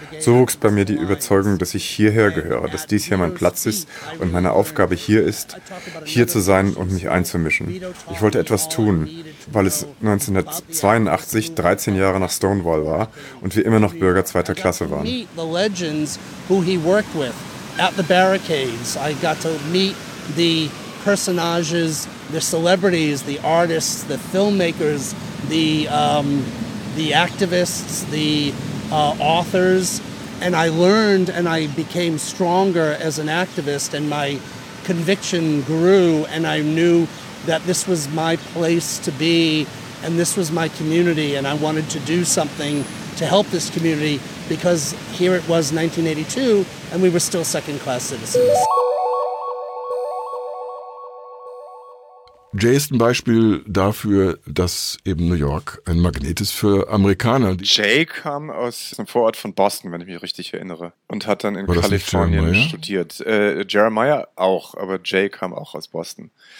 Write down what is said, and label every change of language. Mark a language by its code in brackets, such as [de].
[de] So wuchs bei mir die Überzeugung, dass ich hierher gehöre, dass dies hier mein Platz ist und meine Aufgabe hier ist, hier zu sein und mich einzumischen. Ich wollte etwas tun, weil es 1982, 13 Jahre nach Stonewall war und wir immer noch Bürger zweiter Klasse waren. [en] At the barricades, I got to meet the personages, the celebrities, the artists, the filmmakers, the activists, the authors, and I learned and I became stronger as an activist, and my conviction grew, and I knew that this was my place to be, and this was my community, and I wanted to do something to help this community, because here it was 1982, and we were still second-class citizens. [de] Jay ist ein Beispiel dafür, dass eben New York ein Magnet ist für Amerikaner. Jay kam aus einem Vorort von Boston, wenn ich mich richtig erinnere, und hat dann in Kalifornien studiert. Jeremiah auch, aber Jay kam auch aus Boston.